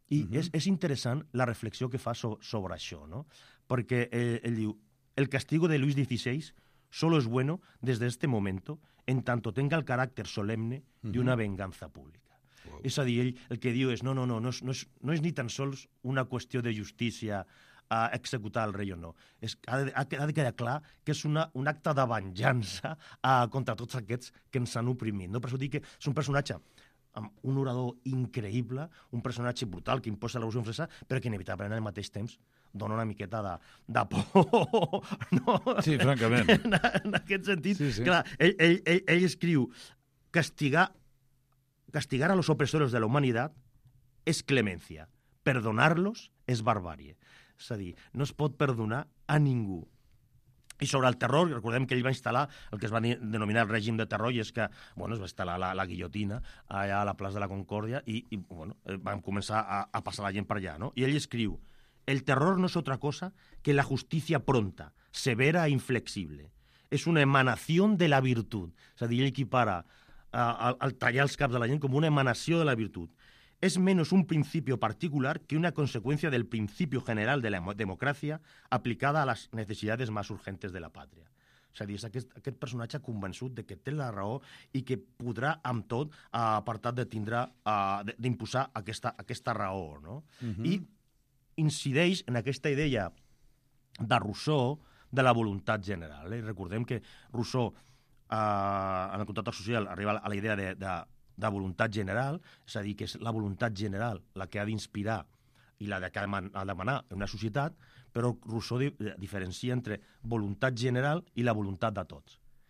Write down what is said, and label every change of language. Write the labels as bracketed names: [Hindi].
[Catalan] I és interessant la reflexió que fa sobre això, no? Perquè ell diu, [Spanish] el castigo de Lluís XVI solo es bueno desde este momento en tanto tenga el carácter solemne de una venganza pública. [English] Wow. [Catalan] És a dir, ell el que diu és, no és ni tan sols una qüestió de justícia a executar el rei o no. Ha de quedar clar que és un acte de venjança contra tots aquests que ens han oprimit. No? Per això dic que és un personatge amb un orador increïble, un personatge brutal que imposa la Revolució Francesa, però que inevitablement al mateix temps dona una miqueta de por. No? Sí, francament. En aquest sentit, sí. Clar, ell escriu, [Spanish] castigar a los opresores de la humanidad es clemencia, perdonarlos es barbarie. [Catalan] És a dir, no es pot perdonar a ningú. I sobre el terror, recordem que ell va instal·lar el que es va denominar el règim de terror, i és que, bueno, es va instal·lar la guillotina allà a la plaça de la Concòrdia i bueno, vam començar a passar la gent per allà, no? I ell escriu, el terror no és altra cosa que la justícia pronta, severa e inflexible. És una emanació de la virtut. És a dir, ell equipara el tallar els caps de la gent com una emanació de la virtut. [Spanish] Es menos un principio particular que una consecuencia del principio general de la democracia aplicada a las necesidades más urgentes de la patria. [Catalan] O sea, es aquest personatge convençut de que té la raó i que podrà, amb tot, apartat de tindre, d'imposar aquesta raó, no? Uh-huh. I incideix en aquesta idea de Rousseau de la voluntat general. Recordem que Rousseau, en el Contrato Social, arriba a la idea de voluntat general, és a dir, que és la voluntat general la que ha d'inspirar i la que ha de manar una societat, però Rousseau diferencia entre voluntat general i la voluntat de tots.